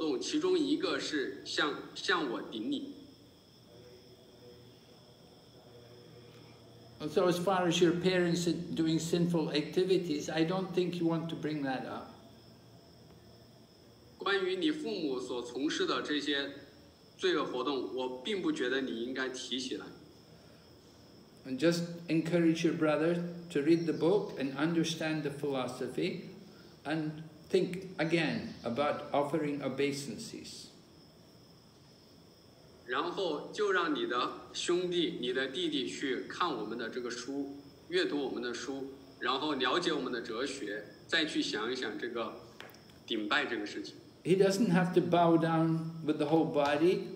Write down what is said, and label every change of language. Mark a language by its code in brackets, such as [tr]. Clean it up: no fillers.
[zh] 这个在《薄伽梵歌》中最机密的知识部分也谈到了，有四个活动，其中一个是向我顶礼。 [en] So as far as your parents doing sinful activities, I don't think you want to bring that up. [zh] 关于你父母所从事的这些罪恶活动，我并不觉得你应该提起来。 [en] And just encourage your brother to read the book and understand the philosophy and think again about offering obeisances. [zh] 然后就让你的兄弟、你的弟弟去看我们的这个书，阅读我们的书，然后了解我们的哲学，再去想一想这个顶拜这个事情。 [en] He doesn't have to bow down with the whole body.